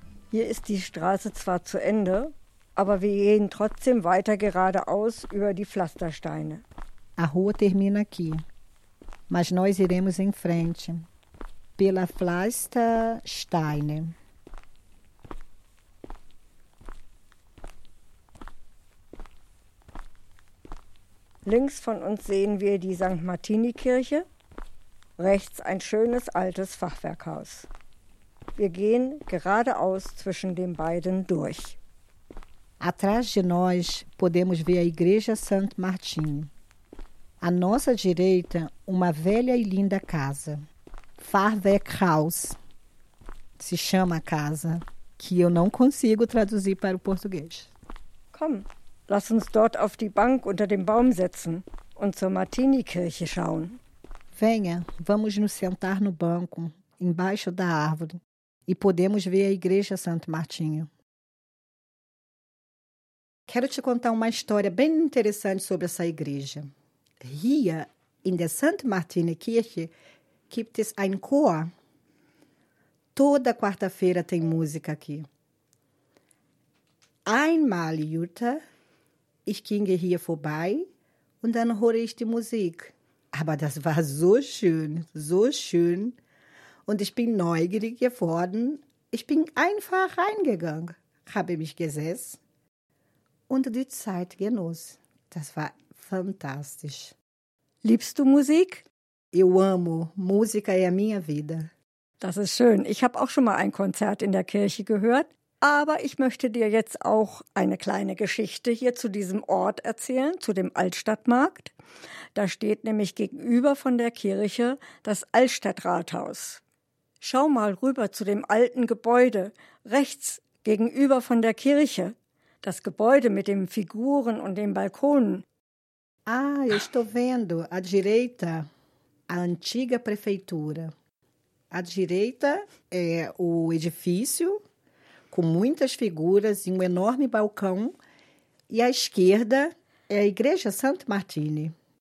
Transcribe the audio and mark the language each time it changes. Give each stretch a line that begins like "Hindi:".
German: Hier ist die Straße zwar zu Ende, aber wir gehen trotzdem weiter geradeaus über die Pflastersteine.
Portuguese: A rua termina aqui, mas nós iremos em frente pela Pflastersteine.
German: Links von uns sehen wir die St. Martini-Kirche, rechts ein schönes altes Fachwerkhaus. Wir gehen geradeaus zwischen den beiden durch.
Portuguese: Atrás de nós podemos ver a Igreja Saint Martin. À nossa direita, uma velha e linda casa. Fachwerkhaus se chama a casa, que eu não consigo traduzir para o português.
German: Komm, lass uns dort auf die Bank unter dem Baum setzen und zur Martini-Kirche schauen.
Portuguese: Venha, vamos nos sentar no banco, embaixo da árvore. E podemos ver a Igreja Santo Martinho. Quero te contar uma história bem interessante sobre essa igreja.
German: Hier in der St. Martine Kirche gibt es ein Chor.
Portuguese: Toda quarta-feira tem música aqui.
German: Einmal, Jutta, ich ging hier vorbei und dann höre ich die Musik. Aber das war so schön, so schön. Und ich bin neugierig geworden. Ich bin einfach reingegangen, habe mich gesetzt und die Zeit genoss. Das war fantastisch. Liebst du Musik?
Portuguese: Eu amo. Musik é a minha vida.
German: Das ist schön. Ich habe auch schon mal ein Konzert in der Kirche gehört. Aber ich möchte dir jetzt auch eine kleine Geschichte hier zu diesem Ort erzählen, zu dem Altstadtmarkt. Da steht nämlich gegenüber von der Kirche das Altstadtrathaus. Schau mal rüber zu dem alten Gebäude, rechts gegenüber von der Kirche. Das Gebäude mit den Figuren und den Balkonen.
Portuguese: Ah, eu estou vendo à direita a antiga prefeitura. À direita é o edifício com muitas figuras e um enorme balcão. E à esquerda é a Igreja Santo Martini.